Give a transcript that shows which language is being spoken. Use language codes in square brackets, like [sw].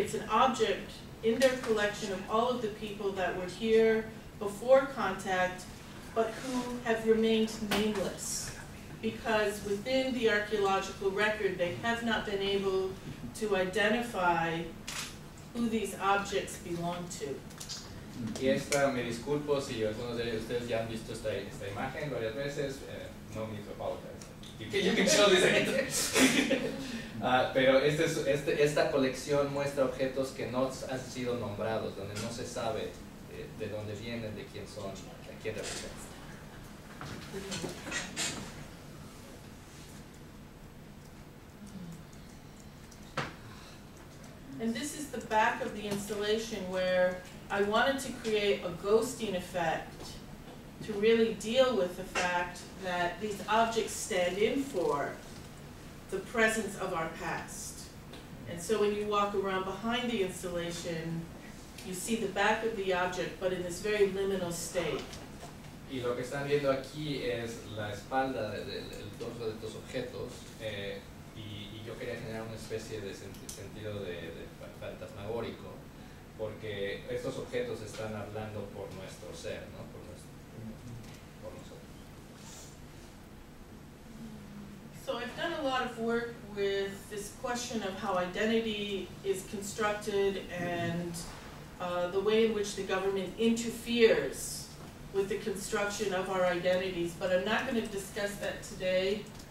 [en] It's an object in their collection of all of the people that were here before contact, but who have remained nameless, because within the archaeological record, they have not been able to identify who these objects belong to. [es] Y esta, me disculpo si algunos de ustedes ya han visto esta imagen varias veces, no me apologize. [en] You can show this again. [es] Pero esta colección muestra objetos que no han sido nombrados, donde no se sabe de dónde vienen, de quién son, a quién representan. [en] And this is the back of the installation where I wanted to create a ghosting effect to really deal with the fact that these objects stand in for the presence of our past. And so when you walk around behind the installation, you see the back of the object, but in this very liminal state. [es] Y lo que están viendo aquí es la espalda del torso de estos objetos, y yo quería generar una especie de sentido de fantasmagórico, porque estos objetos están hablando por nuestro ser, ¿no? Por nosotros. [en] So I've done a lot of work with this question of how identity is constructed and the way in which the government interferes with the construction of our identities, but I'm not going to discuss that today.